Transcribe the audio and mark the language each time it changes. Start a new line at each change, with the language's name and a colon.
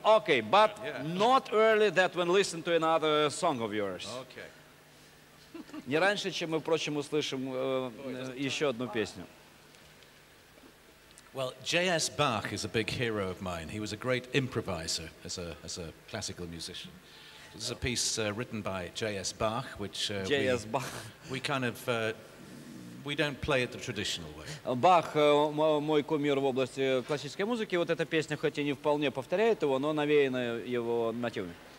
English: Okay, but not early that when listen to another song of yours. Okay.
Russian: Не раньше, чем мы, впрочем, услышим еще одну песню.
English: Well, J.S. Bach is a big hero of mine. He was a great improviser as a classical musician. There's a piece written by J.S. Bach, which we don't play it the traditional way.
Russian: Бах мой кумир в области классической музыки. Вот эта песня, хоть и не вполне повторяет его, но навеяна его мотивами.